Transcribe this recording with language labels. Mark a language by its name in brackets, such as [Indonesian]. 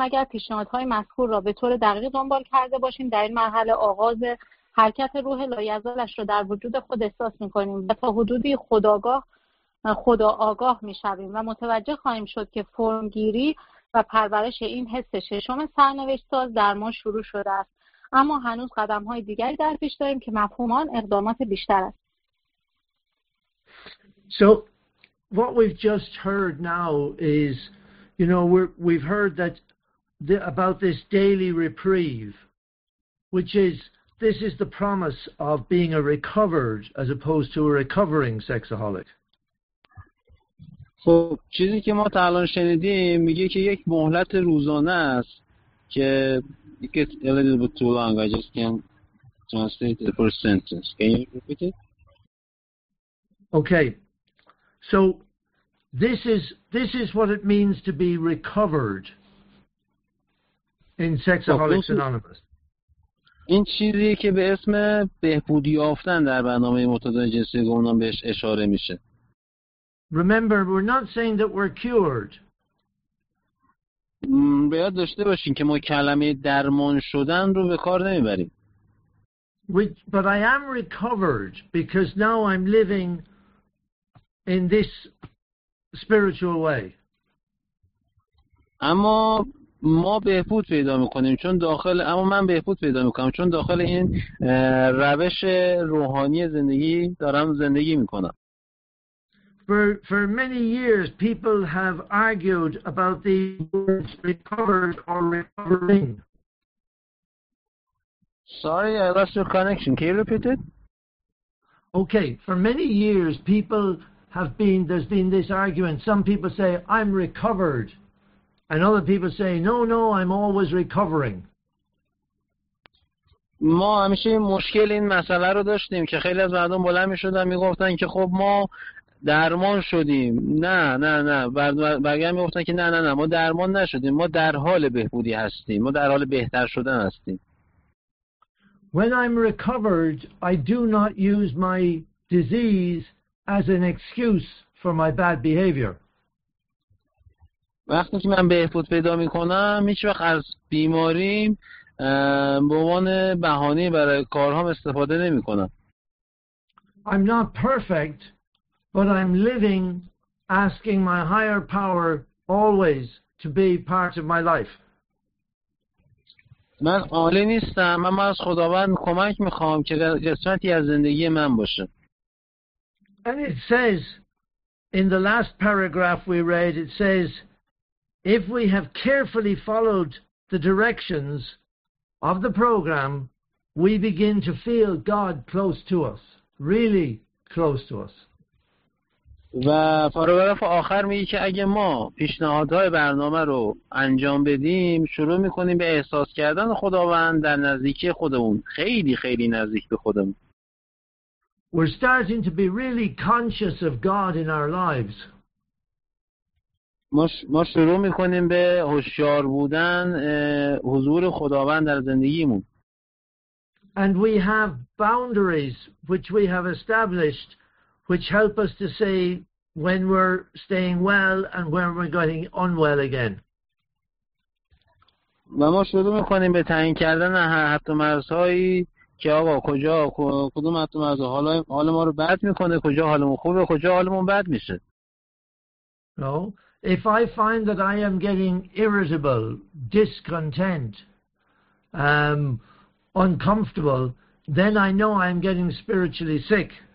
[Persian] اگر پیشنهادهای مذکور را به طور دقیق دنبال کرده باشیم، در این مرحله آغاز حرکت روح لایزالش را در وجود خود احساس می‌کنیم و تا حدودی خدا آگاه می‌شویم و متوجه خواهیم شد که فرمگیری و پرورش این حس ششم سرنوشت‌ساز در ما شروع شده است، اما هنوز قدم‌های دیگری در پیش داریم که مفهوم آن اقدامات بیشتر است. [English] So what we've just heard now is, you know, we've heard that about this daily reprieve, which is, this is the promise of being a recovered as opposed to a recovering sexaholic. So, [Persian] چیزی که ما تا الان شنیدیم میگه که یک مهلت روزانه است که [English] it gets a little bit too long. I just can't translate the first sentence. Can you repeat it? Okay. So, This is what it means to be recovered in Sexaholics Anonymous. [Persian] این چیزی که به اسم بهبودی یافتن در برنامه معتادان جنسی گمنام بهش اشاره میشه. [English] Remember, we're not saying that we're cured. [Persian] باید داشته باشین که ما کلمه درمان شدن رو به کار نمیبریم. [English] But I am recovered because now I'm living in this spiritual way. [Persian] اما ما بهبود پیدا میکنیم چون داخل اما من بهبود پیدا میکنم چون داخل این روش روحانی زندگی دارم زندگی میکنم. [English] For many years people have argued about the words recovered or recovering. Sorry, I lost your connection. Can you repeat it? Okay, for many years people have been, there's been this argument. Some people say, I'm recovered. And other people say, no, I'm always recovering. [Persian] ما همیشه مشکل این مسئله رو داشتیم که خیلی از مردم بلند می شدن می گفتن که خب ما درمان شدیم. نه. بقیه هم می گفتن که نه. ما درمان نشدیم. ما در حال بهبودی هستیم. ما در حال بهتر شدن هستیم. [English] When I'm recovered, I do not use my disease as an excuse for my bad behavior. [Persian] وقتی که من بهبود پیدا میکنم هیچ وقت از بیماریم به عنوان بهانه برای کارهام استفاده نمیکنم. [English] I'm not perfect, but I'm living asking my higher power always to be part of my life. [Persian] من عالی نیستم، اما از خداوند کمک میخوام که قسمتی از زندگی من باشه. [English] And it says, in the last paragraph we read, it says, if we have carefully followed the directions of the program, we begin to feel God close to us, really close to us. [Persian] و پاراگراف آخر میگه که اگه ما پیشنهادهای برنامه رو انجام بدیم، شروع میکنیم به احساس کردن خداوند در نزدیکی خودمون، خیلی خیلی نزدیک به خودمون. [English] We're starting to be really conscious of God in our lives. [Persian] ما شروع میکنیم به هوشیار بودن حضور خداوند در زندگیمون. [English] And we have boundaries which we have established which help us to say when we're staying well and when we're getting unwell again. [Persian] و ما شروع میکنیم به تعیین کردن حد و مرزهایی که آقا کجا کدوم حد و مرزها حال ما رو بد میکنه، کجا حالمون خوبه، کجا حالمون بد میشه. [English] No. If I find that I am getting irritable, discontent, uncomfortable, then I know I am getting spiritually sick.